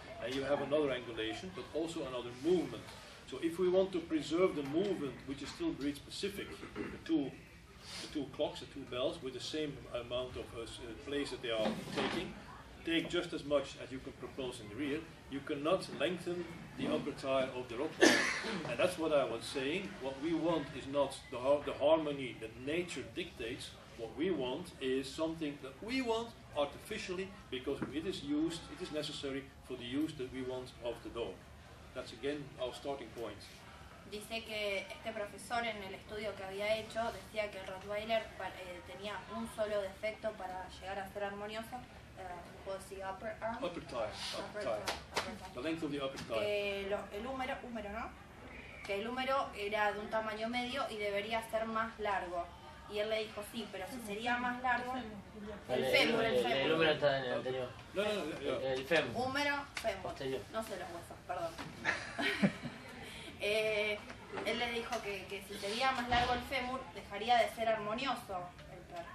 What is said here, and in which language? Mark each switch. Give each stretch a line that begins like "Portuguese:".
English: And you have another angulation, but also another movement. So if we want to preserve the movement, which is still breed specific, the two clocks, the two bells, with the same amount of place that they are taking, take just as much as you can propose in the rear, you cannot lengthen the upper thigh of the Rottweiler. And that's what I was saying. What we want is not the harmony that nature dictates. What we want is something that we want artificially, because it is used, it is necessary for the use that we want of the dog. That's again our starting point.
Spanish: Dice que este profesor en el estudio que había hecho decía que el Rottweiler tenía un solo defecto para llegar a ser armonioso.
English: Upper thigh. The length of the upper thigh.
Spanish: Que el húmero era de un tamaño medio y debería ser más largo. Y él le dijo, sí, pero si sería más largo, el fémur. El húmero está en el anterior. No, el fémur. Húmero, fémur. Posterior. No sé los huesos, perdón. él le dijo que si sería más largo el fémur, dejaría de ser armonioso el perro.